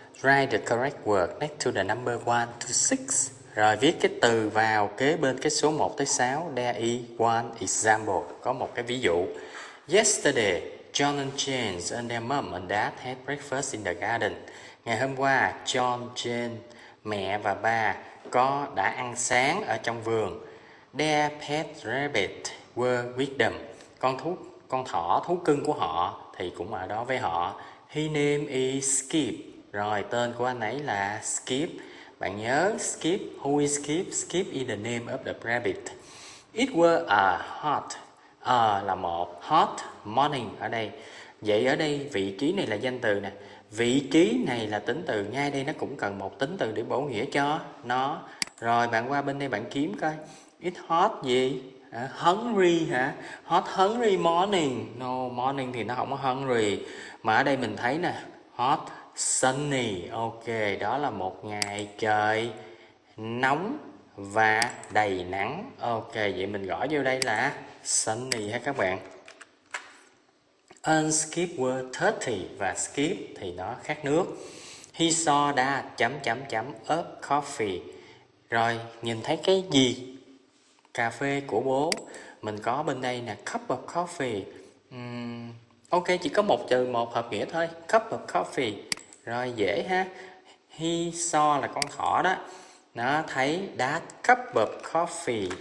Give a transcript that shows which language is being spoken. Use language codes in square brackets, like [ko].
[en] Write the correct word next to the number 1 to 6. [vi] Rồi, viết cái từ vào kế bên cái số 1 tới 6. [en] There is one example, [vi] có một cái ví dụ. [en] Yesterday, John and Jane and their mom and dad had breakfast in the garden. [vi] Ngày hôm qua, John, Jane, mẹ và ba có đã ăn sáng ở trong vườn. [en] Their pet rabbit were with them. [vi] Con thỏ thú cưng của họ thì cũng ở đó với họ. [en] His name is Skip. [vi] Rồi tên của anh ấy là Skip. Bạn nhớ Skip, [en] who is Skip? Skip is the name of the rabbit. It was a hot, [vi] là một [en] hot morning [vi] ở đây. Vậy ở đây vị trí này là danh từ nè. Vị trí này là tính từ, ngay đây nó cũng cần một tính từ để bổ nghĩa cho nó. Rồi bạn qua bên đây bạn kiếm coi. [en] It's hot [vi] gì? [en] Hungry hả? Hot hungry morning. No, morning [vi] thì nó không có [en] hungry. [vi] Mà ở đây mình thấy nè, hot sunny. Ok, đó là một ngày trời nóng và đầy nắng. Ok, vậy mình gõ vô đây là sunny ha các bạn. [en] And Skip were thirsty, [vi] và Skip thì nó khát nước. [en] He saw that [vi] chấm chấm chấm [en] a coffee. [vi] Rồi nhìn thấy cái gì? Cà phê của bố. Mình có bên đây nè, cup of coffee. Ok, chỉ có một từ một hợp nghĩa thôi, cup of coffee. Rồi dễ ha. [en] He saw [vi] là con thỏ đó, nó thấy [en] that cup of coffee.